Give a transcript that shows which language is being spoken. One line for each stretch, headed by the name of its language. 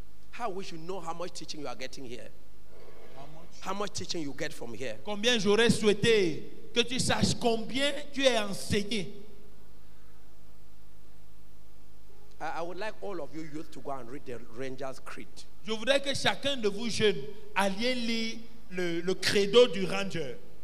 English: How we should know how much teaching you are getting here? How much teaching you get from here?
French: Combien j'aurais souhaité que tu saches combien tu es enseigné.
English: I would like all of you youth to go and read the Ranger's Creed.
French: Je voudrais que chacun de vous jeunes alliez lire le credo du Ranger.